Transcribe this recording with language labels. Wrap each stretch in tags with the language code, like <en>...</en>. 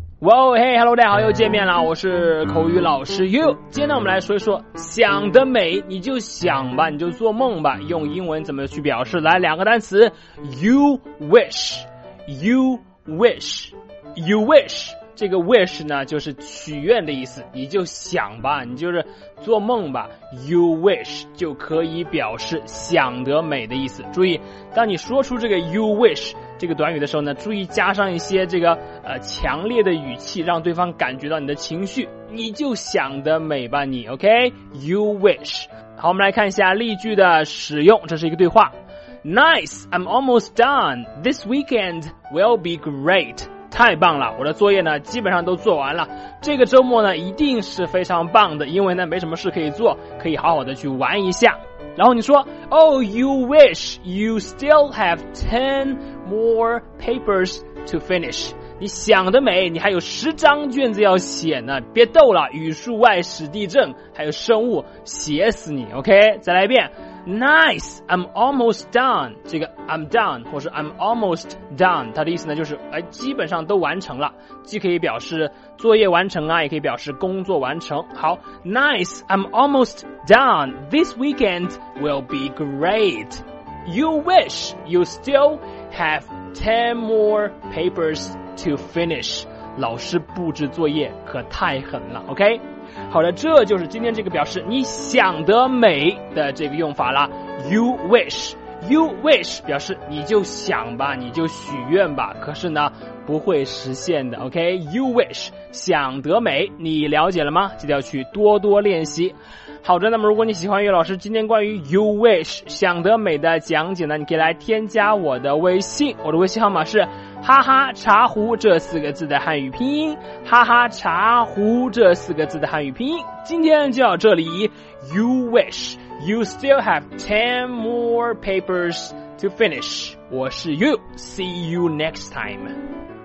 <zh>哇哦，嘿，Hello， 大家好，又见面了，我是口语老师 You。今天我们来说一说，想得美，你就想吧，你就做梦吧，用英文怎么去表示？来，两个单词</zh> <en>，You wish，You wish，You wish。</en> <zh>这个 wish 呢，就是许愿的意思，你就想吧，你就是做梦吧 ，You wish 就可以表示想得美的意思。注意，当你说出这个 You wish。这个短语的时候呢，注意加上一些这个强烈的语气，让对方感觉到你的情绪。你就想得美吧你 ，OK? You wish。好，我们来看一下例句的使用，这是一个对话。</zh> <en>Nice, I'm almost done. This weekend will be great.</en> <zh>太棒了，我的作业呢基本上都做完了。这个周末呢一定是非常棒的，因为呢没什么事可以做，可以好好的去玩一下。然后你说</zh> <en>Oh, you wish you still have 10 more papers to finish.</en> <zh>你想得美，你还有十张卷子要写呢，别逗了，语数外史地政还有生物，写死你 OK? 再来一遍</zh> <en>Nice, I'm almost done.</en> <zh>这个 I'm done 或是</zh> <en>I'm almost done,</en> <zh>它的意思呢就是基本上都完成了，既可以表示作业完成啊，也可以表示工作完成。</zh> <en>好 ,Nice, I'm almost done. This weekend will be great. You wish you still have 10 more papers to finish.</en> <zh>老师布置作业可太狠了 ,OK? 好的，这就是今天这个表示你想得美的这个用法啦。</zh> <en>You wish. You wish</en> <zh>表示你就想吧，你就许愿吧，可是呢不会实现的 ,OK? You wish, 想得美，你了解了吗？记得要去多多练习。好的，那么如果你喜欢于老师今天关于 You wish, 想得美的讲解呢，你可以来添加我的微信，我的微信号码是哈哈茶壶这四个字的汉语拼音，哈哈茶壶这四个字的汉语拼音。今天就到这里</zh> <en>,You wish, you still have 10 more papers to finish.</en> <zh>我是</zh> <en>You, see you next time.</en>